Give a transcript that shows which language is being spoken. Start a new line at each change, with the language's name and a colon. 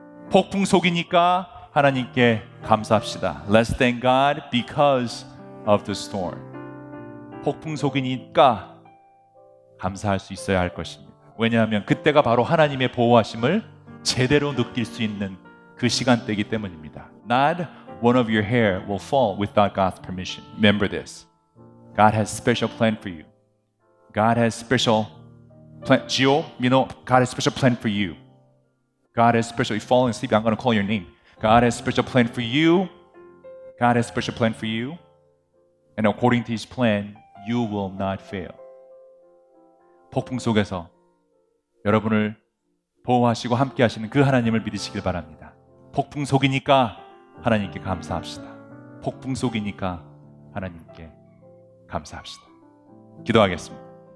Korean: 폭풍 속이니까 하나님께 감사합시다.
English: Let's thank God because of the storm.
Korean: 폭풍 속이니까 감사할 수 있어야 할 것입니다. 왜냐하면 그때가 바로 하나님의 보호하심을 제대로 느낄 수 있는 그 시간대이기 때문입니다.
English: Not one of your hair will fall without God's permission. Remember this. God has special plan for you. God has special plan. Gio, you know, God has special plan for you. God has special, you're falling asleep, I'm going to call your name. God has special plan for you. God has special plan for you. And according to his plan, you will not fail.
Korean: 폭풍 속에서 여러분을 보호하시고 함께 하시는 그 하나님을 믿으시길 바랍니다. 폭풍 속이니까 하나님께 감사합시다. 폭풍 속이니까 하나님께 감사합시다. 기도하겠습니다.